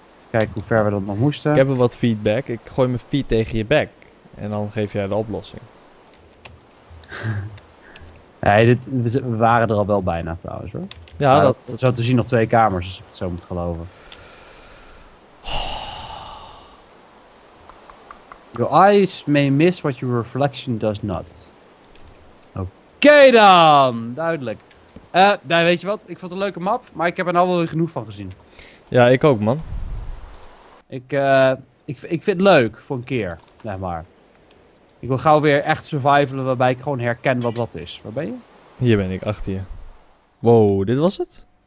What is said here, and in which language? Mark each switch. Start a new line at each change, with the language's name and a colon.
Dutch: Kijk hoe ver we dat nog moesten. Ik heb wel wat feedback. Ik gooi mijn feed tegen je back. En dan geef jij de oplossing. Nee, we waren er al wel bijna trouwens hoor. Ja, maar dat... Zo te zien nog twee kamers, als ik het zo moet geloven.
English: Your eyes may miss what your reflection does not.
Dutch: Oké dan, duidelijk. Nee, weet je wat? Ik vond het een leuke map, maar ik heb er al wel genoeg van gezien. Ja, ik ook, man. Ik vind het leuk, voor een keer, zeg maar. Ik wil gauw weer echt survivalen, waarbij ik gewoon herken wat dat is. Waar ben je? Hier ben ik, achter je. Wow, dit was het?